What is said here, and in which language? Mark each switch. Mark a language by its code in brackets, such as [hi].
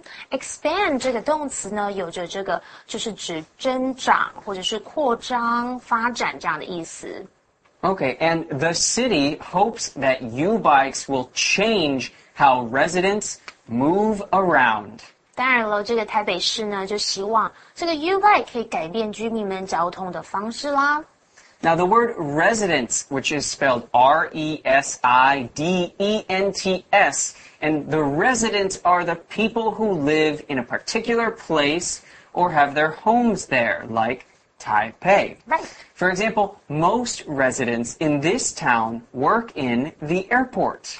[zh] Expand 这个动词呢有着这个就是指增长或者是扩张发展这样的意思。 [en] Okay, and the city hopes that U-bikes will change how residents move around. [zh] 当然了这个台北市呢就希望这个 U-bike 可以改变居民们交通的方式啦。 [en] Now, the word residence, which is spelled R-E-S-I-D-E-N-T-S, and the residents are the people who live in a particular place or have their homes there, like Taipei. Right. For example, most residents in this town work in the airport.